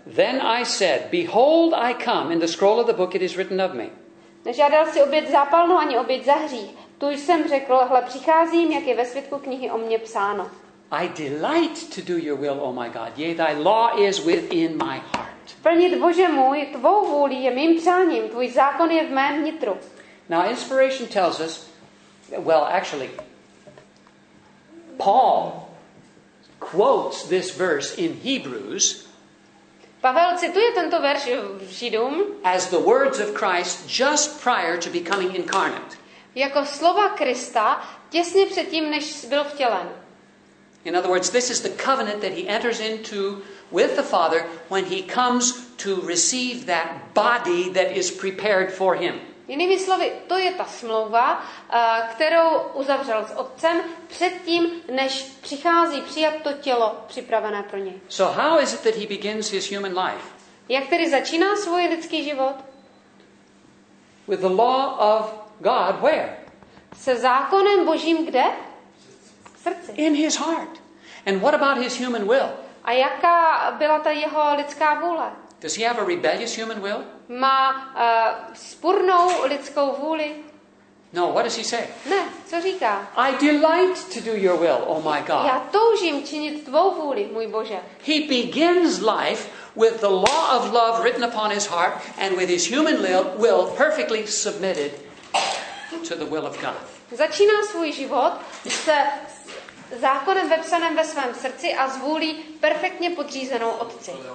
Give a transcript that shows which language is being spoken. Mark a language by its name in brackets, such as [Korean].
[English] Then I said, behold, I come, in the scroll of the book it is written of me. [Czech] Nežádal si oběť zápalnou ani oběť za hřích. Tu jsem řekl, hle, přicházím, jak je ve svitku knihy o mně psáno. [English] I delight to do your will, O my God. Yea, thy law is within my heart. [Czech] Plnit, Bože můj, tvou vůli je mým přáním. Tvůj zákon je v mém nitru. [English] Now, inspiration tells us, well, actually, Paul quotes this verse in Hebrews. [Czech] Pavel cituje tento verš Židům. [English] As the words of Christ just prior to becoming incarnate. [Czech] Jako slova Krista těsně předtím, než byl vtělen. [English] In other words, this is the covenant that he enters into with the Father when he comes to receive that body that is prepared for him. [Czech] Jinými slovy, to je ta smlouva, kterou uzavřel s Otcem předtím, než přichází přijat to tělo připravené pro něj. [English] So how is it that he begins his human life? [Czech] Jak tedy začíná svůj lidský život? [English] With the law of God, where? [Czech] Se zákonem Božím kde? V srdci. [English] In his heart. And what about his human will? [Czech] A jaká byla ta jeho lidská vůle? [English] Does he have a rebellious human will? [Czech] Má spurnou lidskou vůli? [English] No, what does he say? [Czech] Ne, co říká? [English] I delight to do your will, oh my God. [Czech] Já toužím činit tvou vůli, můj Bože. [English] He begins life with the law of love written upon his heart and with his human will perfectly submitted to the will of God. [Czech] Začíná svůj život se zákonem vepsaným ve svém srdci a z vůli perfektně podřízenou Otci.